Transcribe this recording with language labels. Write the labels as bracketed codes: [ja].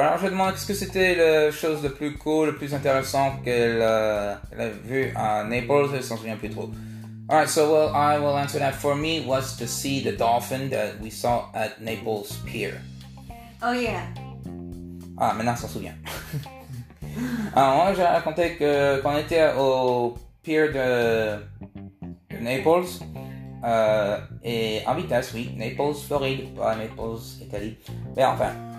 [fr] Alors, je demande, qu'est-ce que c'était la chose la plus cool, la plus intéressante qu'elle a vue à Naples? Je ne m'en souviens plus trop. [en] All right, so well, I will answer that. For me, was to see the dolphin that we saw at Naples Pier. Oh, yeah. [fr] Ah, maintenant, je m'en souviens. Alors, moi, j'ai raconté que quand on était au Pier de Naples, et en vitesse, oui, Naples, Floride, pas Naples, Italie, mais enfin...